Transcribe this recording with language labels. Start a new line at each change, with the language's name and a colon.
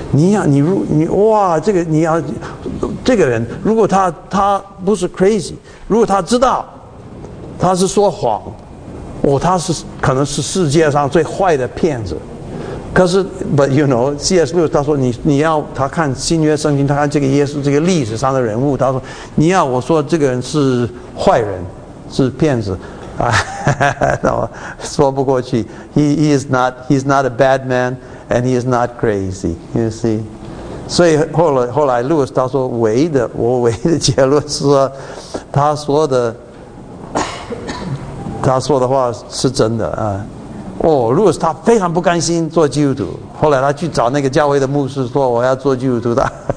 Chinese: 你要你如你哇，这个你要这个人，如果他不是 crazy， 如果他知道他是说谎，哦，他是可能是世界上最坏的骗子。
English: 可是 ，but you know， C.S.
Chinese: Lewis 他说你要他看新约圣经，他看这个耶稣这个历史上的人物，他说你要我说这个人是坏人，是骗子，啊，那我说不过去。
English: He's not a bad man， and he is not crazy， you see。
Chinese: 所以后来 Lewis 他说我唯一的结论是说，他说的话是真的啊。哦，路易斯他非常不甘心做基督徒，后来他去找那个教会的牧师说：“我要做基督徒的。